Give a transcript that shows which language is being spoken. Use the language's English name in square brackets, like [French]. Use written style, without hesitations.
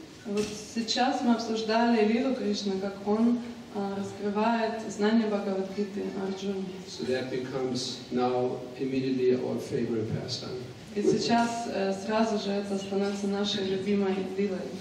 [Russian] Вот сейчас мы обсуждали лилу Кришны, как он раскрывает знание Бхагавад Гиты Арджуне. [English] So that becomes now immediately our favorite pastime. [Russian] И сейчас сразу же это становится нашей любимой лилой.